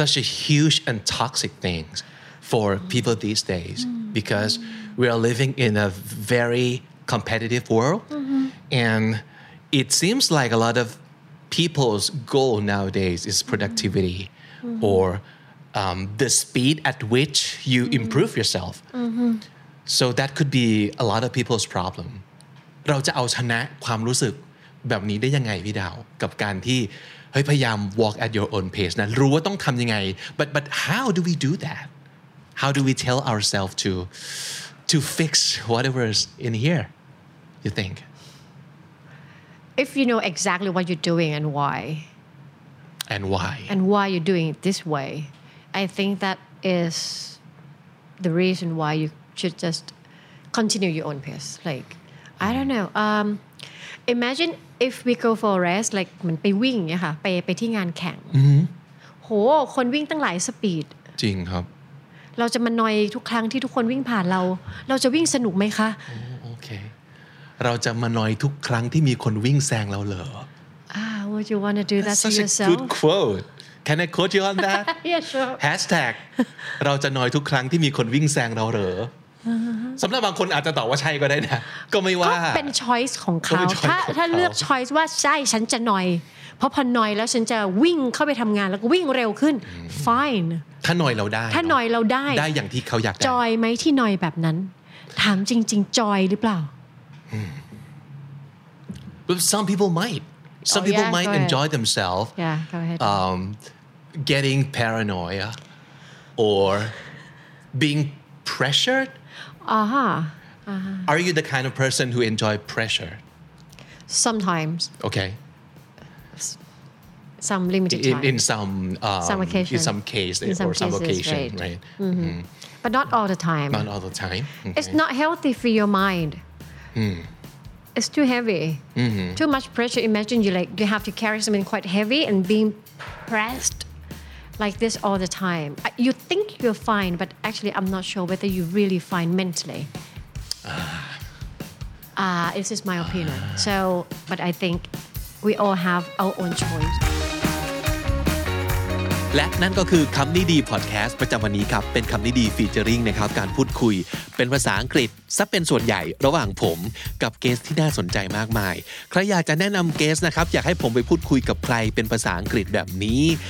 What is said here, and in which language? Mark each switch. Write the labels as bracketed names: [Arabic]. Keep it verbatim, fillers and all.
[English] such a huge and toxic thing for people these days because we are living in a very competitive world. Mm-hmm. And it seems like a lot of people's goal nowadays is productivity Mm-hmm. or Um, the speed at which you mm-hmm. improve yourself. Mm-hmm. So that could be a lot of people's problem. [Thai] เราจะเอาชนะความรู้สึกแบบนี้ได้ยังไงพี่ดาวกับการที่เฮ้ยพยายาม [English] walk at your own pace [Thai] นะรู้ว่าต้องทำยังไง [English] but but how do we do that? How do we tell ourselves to to fix whatever is in here? You think? If you know exactly what you're doing and why. And why? And why you're doing it this way. I think that is the reason why you should just continue your own pace. Like, I don't know. Um, imagine if we go for a race like [Thai] มันไปวิ่งเนี่ยค่ะไปไปที่งานแข่ง อืม โหคนวิ่งตั้งหลายสปีด จริงครับ เราจะมานอยทุกครั้งที่ทุกคนวิ่งผ่านเราเราจะวิ่งสนุกไหมคะ โอเคเราจะมานอยทุกครั้งที่มีคนวิ่งแซงเราเหรอ [English] ah would you want to do that to such yourself a good quote can I quote you on that yeah sure [Thai] hashtag เราจะนอยทุกครั้งที่มีคนวิ่งแซงเราเหรอสำหรับบางคนอาจจะตอบว่าใช่ก็ได้นะก็ไม่ว่า ก็เป็น choice ของเขาถ้าถ้าเลือก choice ว่าใช่ฉันจะนอยเพราะพอนอยแล้วฉันจะวิ่งเข้าไปทำงานแล้วก็วิ่งเร็วขึ้น fine ถ้านอยเราได้ ถ้านอยเราได้ ได้อย่างที่เขาอยากได้ จอยไหมที่นอยแบบนั้นถามจริงๆจอยหรือเปล่า [English] but some people might some people might enjoy themselves yeah go ahead um getting paranoia or being pressured Uh-huh. Uh-huh. Are you the kind of person who enjoy pressure? Sometimes. Okay. Some limited in, time. In some, um, some occasion. In some case in or some, some cases, occasion, right? right? Mm-hmm. Mm-hmm. But not all the time. Not all the time. Okay. It's not healthy for your mind. Mm. It's too heavy. Mm-hmm. Too much pressure. Imagine you like you have to carry something quite heavy and being pressed like this all the time. You think you're fine, but actually I'm not sure whether you're really fine mentally. Ah. Uh, this is my opinion. Ah. So, but I think we all have our own choice. [Thai] และนั่นก็คือคำนี้ดีพอดแคสต์ประจำวันนี้ครับเป็นคำนี้ดีฟีเจอริงนะครับการพูดคุยเป็นภาษาอังกฤษซะเป็นส่วนใหญ่ระหว่างผมกับเกสที่น่าสนใจมากมายใครอยากจะแนะนำเกสนะครับอยากให้ผมไปพูดคุยกับใครเป็นภาษาอังกฤษแบบนี้